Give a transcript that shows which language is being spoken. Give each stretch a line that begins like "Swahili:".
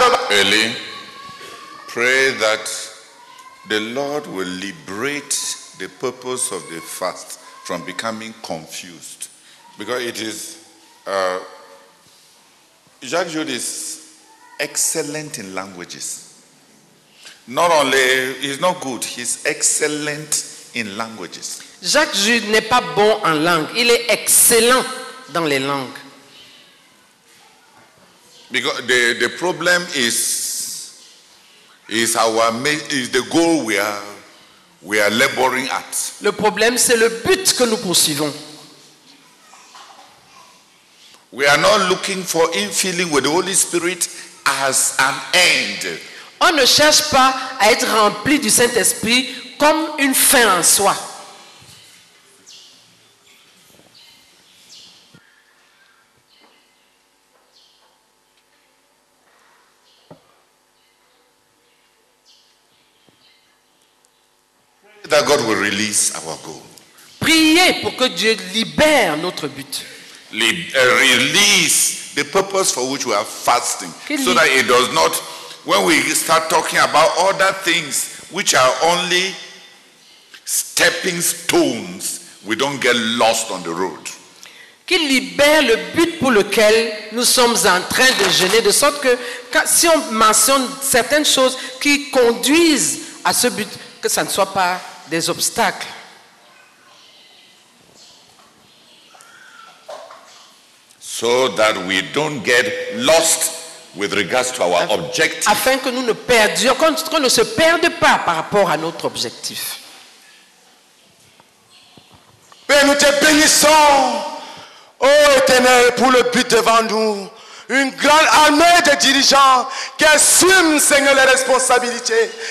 English: Eli, pray that the Lord will liberate the purpose of the fast from becoming confused. Because it is Jacques Jude is excellent in languages. Not only he's not good, he's excellent in languages.
French: Jacques Jude n'est pas bon en langue, il est excellent dans les langues.
English: Because the problem is the goal we are laboring at.
French: Le problème c'est le but que nous poursuivons.
English: We are not looking for infilling with the Holy Spirit as an end.
French: On ne cherche pas à être rempli du Saint-Esprit comme une fin en soi.
English: That God will release our goal.
French: Priez pour que Dieu libère notre but.
English: Release the purpose for which we are fasting, so that it does not, when we start talking about other things which are only stepping stones, we don't get lost on the road.
French: Qu'il libère le but pour lequel nous sommes en train de jeûner, de sorte que si on mentionne certaines choses qui conduisent à ce but, que ça ne soit pas des obstacles.
English: So that we don't get lost with regards to our objective.
French: Afin que nous ne perdions, qu'on ne se perde pas par rapport à notre objectif. Mais nous te bénissons, ô Éternel, pour le but devant nous. Une grande armée de dirigeants qui assument, Seigneur, les responsabilités.